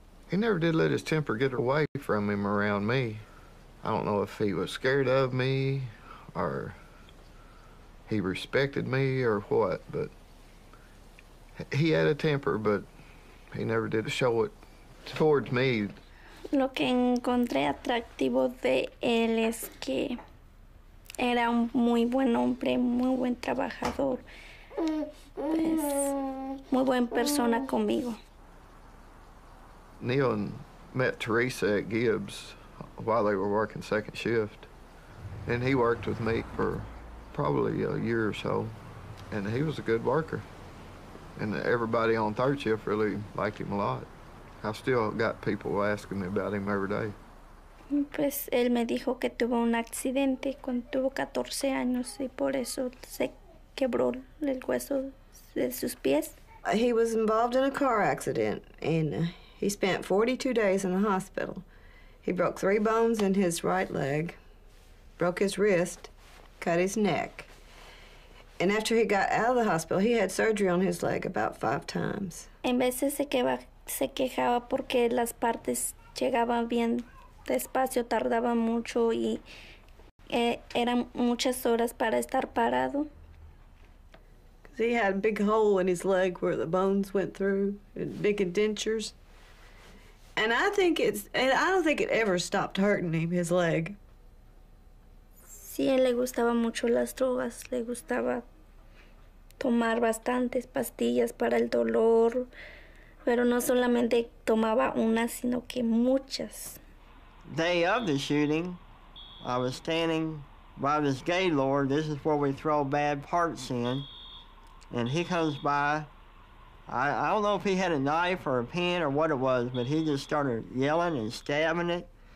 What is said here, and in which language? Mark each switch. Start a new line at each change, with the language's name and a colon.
English: He never did let his temper get away from him around me. I don't know if he was scared of me or he respected me or what, but he had a temper, but he never did show it towards me.
Spanish: Lo que encontré atractivo de él es que era un muy buen hombre, muy buen trabajador. Muy buena persona conmigo.
English: Neil met Teresa at Gibbs while they were working second shift. And he worked with me for probably a year or so. And he was a good worker. And everybody on third shift really liked him a lot. I still got people asking me about him every day.
Spanish: Pues él me dijo que tuvo un accidente cuando tuvo 14 años y por eso se quebró el hueso de sus pies.
English: He was involved in a car accident and he spent 42 days in the hospital. He broke 3 bones in his right leg, broke his wrist, cut his neck. And after he got out of the hospital, he had surgery on his leg about 5 times.
Spanish: En veces se quejaba porque las partes llegaban bien despacio, tardaba mucho y eran muchas horas para estar parado.
English: He had a big hole in his leg where the bones went through, and big indentures. And I think I don't think it ever stopped hurting him, his leg.
Spanish: Sí, él le gustaba mucho las drogas. Le gustaba tomar bastantes pastillas para el dolor. Pero no solamente tomaba una, sino que muchas.
English: Day of the shooting, I was standing by this gaylord. This is where we throw bad parts in. And he comes by. I don't know if he had a knife or a pen or what it was, but he just started yelling and stabbing it.